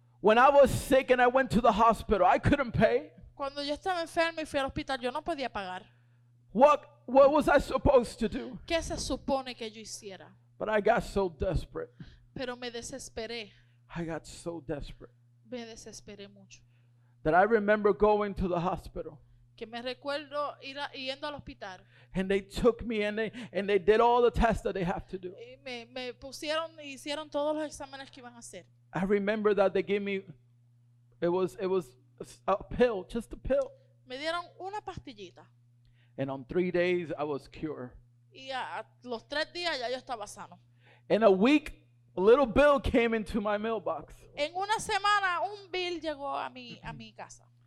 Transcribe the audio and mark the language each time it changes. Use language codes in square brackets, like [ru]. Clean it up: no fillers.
[en] When I was sick and I went to the hospital, I couldn't pay. [es] Cuando yo estaba enfermo y fui al hospital, yo no podía pagar. [en] What was I supposed to do? [es] ¿Qué se supone que yo hiciera? [en] But I got so desperate. [es] Pero me desesperé. [en] I got so desperate. [es] Me desesperé mucho. [en] That I remember going to the hospital. [es] Que me recuerdo yendo al hospital. [en] And they took me and they did all the tests that they have to do. [es] Me pusieron y hicieron todos los exámenes que iban a hacer. [en] I remember that they gave me it was a pill, just a pill. [es] Me dieron una pastillita. [en] And on 3 days I was cured. [es] Y a los 3 días ya yo estaba sano. [en] In a week, a little bill came into my mailbox. [es] En una semana un bill llegó a mi casa.